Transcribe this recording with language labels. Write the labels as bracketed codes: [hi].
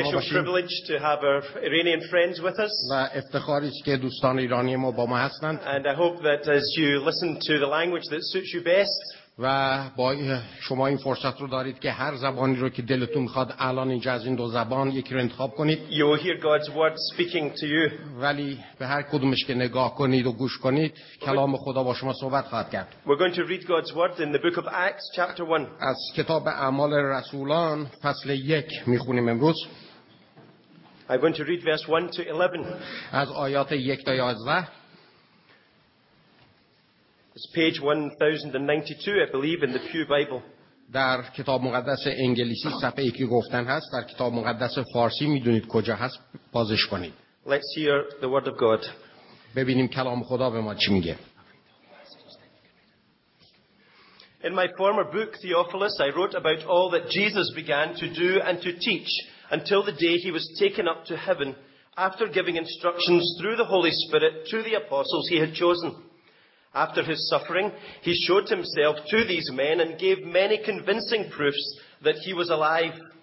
[en] It's a special privilege to have our Iranian friends with us. [fa] و افتخاری است که دوستان ایرانی ما با ما هستند. [en] And I hope that as you listen to the language that suits you best. [fa] و با شما این فرصت رو دارید که هر زبانی رو که دلتون میخواد الان اینجا از این دو زبان یکی رو انتخاب کنید. [en] You will hear God's word speaking to you. [fa] ولی به هر کدومش که نگاه کنید و گوش کنید کلام خدا با شما صحبت خواهد کرد. [en] We're going to read God's word in the book of Acts chapter 1. [fa] از کتاب اعمال رسولان فصل 1 میخونیم امروز. [en] I'm going to read verse 1 to 11. [fa] از آیات 1 تا 11. [en] It's page 1092, I believe, in the Pew Bible. [fa] در کتاب مقدس انگلیسی صفحه یکی گفتن هست. در کتاب مقدس فارسی میدونید کجا هست؟ بازش کنید. [en] Let's hear the word of God. [fa] ببینیم کلام خدا به ما چی میگه. [en] In my former book, Theophilus, I wrote about all that Jesus began to do and to teach until the day he was taken up to heaven after giving instructions through the Holy Spirit to the apostles he had chosen. After his suffering, he showed himself to these men and gave many convincing proofs that he was alive.